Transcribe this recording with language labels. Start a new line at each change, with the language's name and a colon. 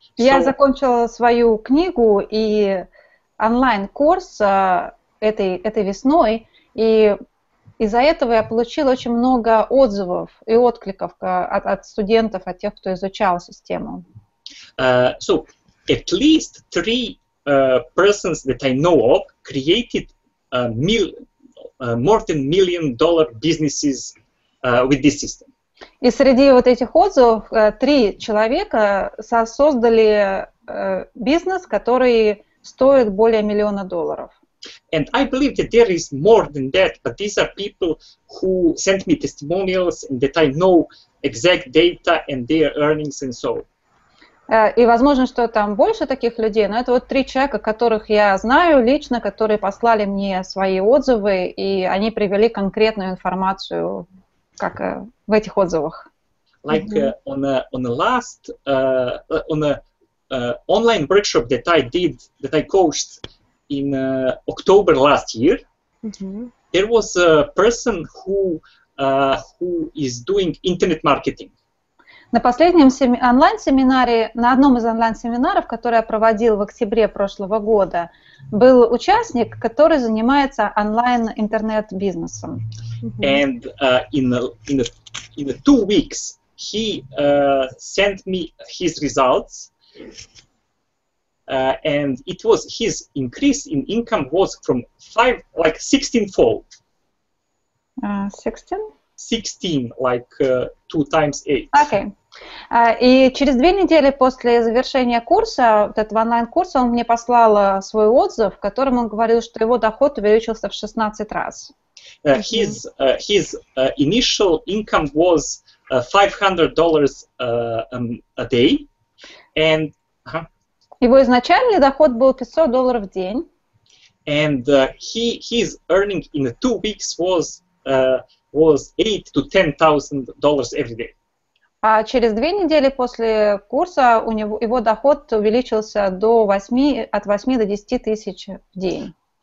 Russian: Я закончила свою книгу и онлайн-курс этой весной, и из-за этого я получила очень много отзывов и откликов от студентов, от тех, кто изучал систему.
English: So at least three persons that I know of created more than $1 million businesses with this system.
Russian: И среди вот этих отзывов три человека создали бизнес, который стоит более миллиона долларов.
English: And I believe that there is more than that, but these are people who sent me testimonials and that I know exact data and their earnings and so on.
Russian: И возможно, что там больше таких людей, но это вот три человека, которых я знаю лично, которые послали мне свои отзывы, и они привели конкретную информацию, как в этих отзывах.
English: Like on a online workshop that I did, that I coached in October last year, there was a person who is doing internet marketing.
Russian: На последнем онлайн-семинаре, на одном из онлайн-семинаров, который я проводил в октябре прошлого года, был участник, который занимается онлайн-интернет-бизнесом.
English: And in 2 weeks he sent me his results, and it was his increase in income was from 16-fold. 16, two times 8. Okay.
Russian: И через две недели после завершения курса, вот этого онлайн-курса, он мне послал свой отзыв, в котором он говорил, что его доход увеличился в 16 раз.
English: His initial income was $500 a day. And,
Russian: Его изначальный доход был $500 в день.
English: And his earning in 2 weeks was $8,000 to $10,000 every day.
Russian: А через две недели после курса у него его доход увеличился от 8 до 10 тысяч в день.